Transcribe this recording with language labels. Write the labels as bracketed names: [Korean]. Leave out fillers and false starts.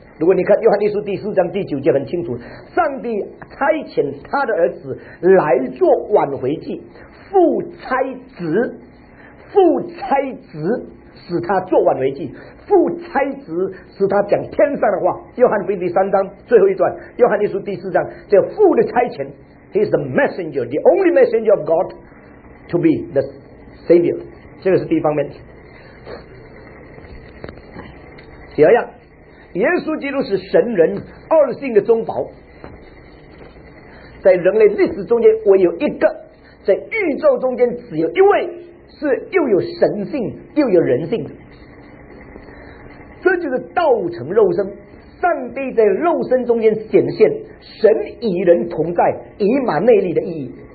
[Chinese] 如果你看约翰一书第四章第九节很清楚，上帝差遣他的儿子来做挽回祭，父差子，父差子，使他作完为祭，父差职使他讲天上的话。约翰福音第三章最后一段，约翰一书第四章，这父的差遣。 [English] He is the messenger, the only messenger of God to be the Savior. [Chinese] 这个是第一方面。第二样，耶稣基督是神人二性的中保，在人类历史中间唯有一个，在宇宙中间只有一位是又有神性又有人性的，这就是道成肉身，上帝在肉身中间显现，神与人同在，以马内利的意义。